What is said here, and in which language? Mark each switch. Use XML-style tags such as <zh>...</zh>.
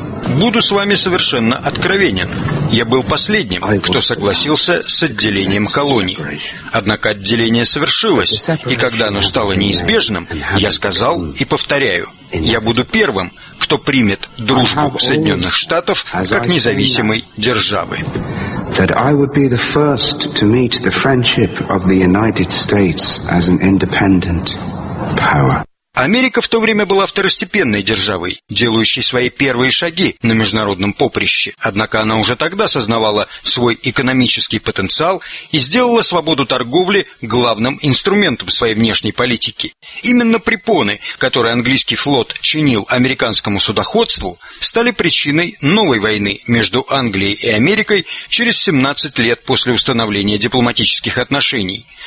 <ru>Буду с вами совершенно откровенен. Я был последним, кто согласился с отделением колоний. Однако отделение совершилось, и когда оно стало неизбежным, я сказал и повторяю, я буду первым, кто примет дружбу Соединенных Штатов как независимой державы.</ru> <en>That I would be the first to meet the friendship of the United States as an independent power.</en> <ru>Америка в то время была второстепенной державой, делающей свои первые шаги на международном поприще. Однако она уже тогда сознавала свой экономический потенциал и сделала свободу торговли главным инструментом своей внешней политики. Именно препоны, которые английский флот чинил американскому судоходству, стали причиной новой войны между Англией и Америкой через 17 лет после установления дипломатических отношений.</ru>